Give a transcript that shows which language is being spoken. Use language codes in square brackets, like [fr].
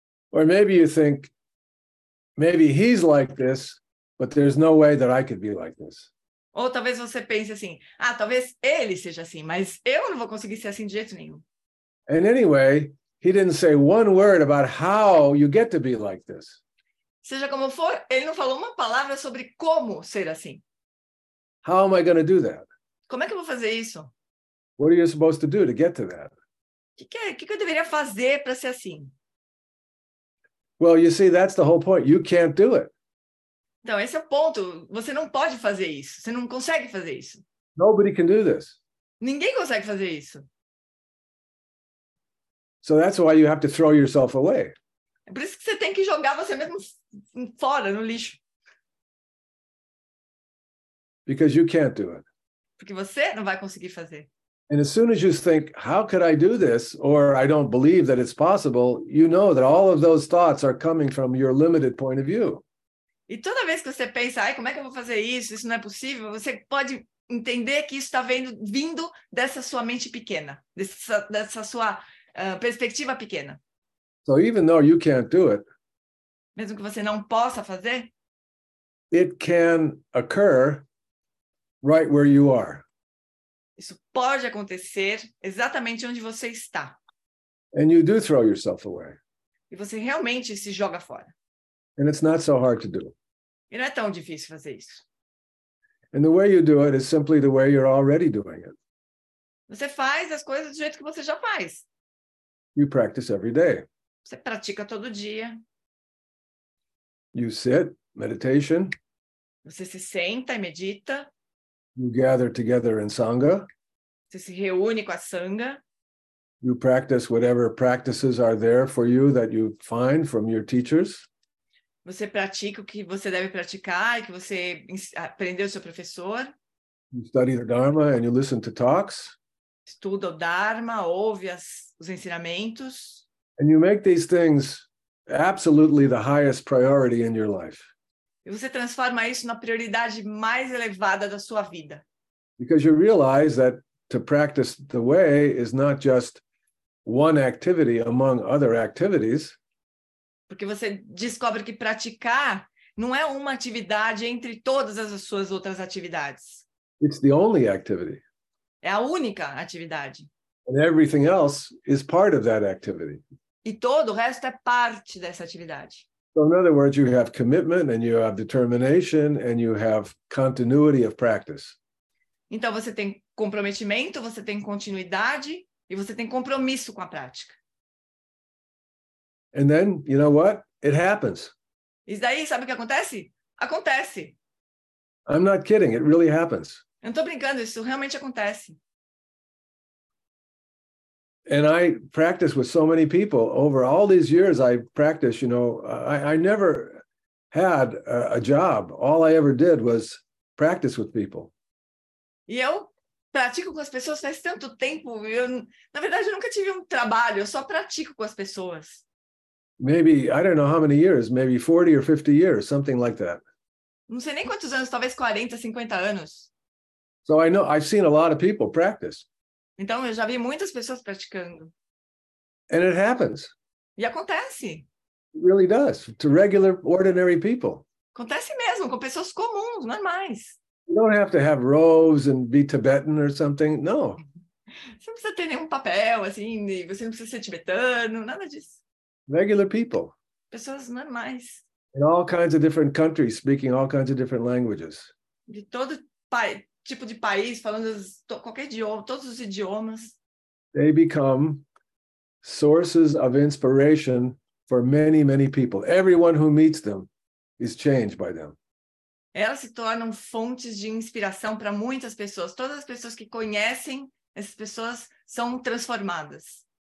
[en] Or maybe you think, maybe he's like this, but there's no way that I could be like this. [pt] Ou talvez você pense assim, ah, talvez ele seja assim, mas eu não vou conseguir ser assim de jeito nenhum. [en] And anyway, he didn't say one word about how you get to be like this. [pt] Seja como for, ele não falou uma palavra sobre como ser assim. [en] How am I going to do that? [pt] Como é que eu vou fazer isso? [en] What are you supposed to do to get to that? [pt] Que eu deveria fazer para ser assim? [en] Well, you see, that's the whole point. You can't do it. [pt] Então, esse é o ponto. Você não pode fazer isso. Você não consegue fazer isso. [en] Nobody can do this. [pt] Ninguém consegue fazer isso. [en] So that's why you have to throw yourself away. [pt] É por isso que você tem que jogar você mesmo fora, no lixo. [en] Because you can't do it. [pt] Porque você não vai conseguir fazer. [en] And as soon as you think, how could I do this? Or I don't believe that it's possible. You know that all of those thoughts are coming from your limited point of view. [pt] E toda vez que você pensa, ai, como é que eu vou fazer isso? Isso não é possível. Você pode entender que isso está vindo dessa sua mente pequena. Dessa sua perspectiva pequena. [en] So even though you can't do it. [pt] Mesmo que você não possa fazer. [en] It can occur. Right where you are. [pt] Isso pode acontecer exatamente onde você está. [en] And you do throw yourself away. [pt] E você realmente se joga fora. [en] And it's not so hard to do. [pt] E não é tão difícil fazer isso. [en] And the way you do it is simply the way you're already doing it. [pt] Você faz as coisas do jeito que você já faz. [en] You practice every day. [pt] Você pratica todo dia. [en] You sit, meditation. [pt] Você se senta e medita. [en] You gather together in sangha. [pt] Você se reúne com a sangha. [en] You practice whatever practices are there for you that you find from your teachers. [pt] Você pratica o que você deve praticar e que você aprendeu do seu professor. [en] You study the dharma and you listen to talks. [pt] Estuda o dharma, ouve os ensinamentos. [en] And you make these things absolutely the highest priority in your life. [pt] E você transforma isso na prioridade mais elevada da sua vida. [en] Because you realize that to practice the way is not just one activity among other activities. [pt] Porque você descobre que praticar não é uma atividade entre todas as suas outras atividades. [en] It's the only activity. [pt] É a única atividade. [en] And everything else is part of that activity. [pt] E todo o resto é parte dessa atividade. [en] So in other words, you have commitment and you have determination and you have continuity of practice. [pt] Então você tem comprometimento, você tem continuidade e você tem compromisso com a prática. [en] And then, you know what? It happens. [pt] E daí, sabe o que acontece? Acontece. [en] I'm not kidding. It really happens. [pt] Eu não tô brincando. Isso realmente acontece. [en] And I practice with so many people over all these years. I practice, you know, I never had a job. All I ever did was practice with people. [pt] E eu pratico com as pessoas faz tanto tempo. Na verdade, eu nunca tive trabalho. Eu só pratico com as pessoas. [en] Maybe, I don't know how many years, maybe 40 or 50 years, something like that. [pt] Não sei nem quantos anos, talvez 40, 50 anos. [en] So I know, I've seen a lot of people practice. [pt] Então, eu já vi muitas pessoas praticando. [en] And it happens. [pt] E acontece. [en] It really does. To regular, ordinary people. [pt] Acontece mesmo, com pessoas comuns, normais. [en] You don't have to have robes and be Tibetan or something. No. [pt] Você não precisa ter nenhum papel, assim, você não precisa ser tibetano, nada disso. [en] Regular people. [pt] Pessoas normais. [en] In all kinds of different countries, speaking all kinds of different languages. [pt] De todo país. Tipo de país, falando qualquer idioma, todos os idiomas. [en] They become sources of inspiration for many, many people. Everyone who meets them is changed by them. [pt] Elas se tornam fontes de inspiração para muitas pessoas. Todas as pessoas que conhecem essas pessoas são transformadas.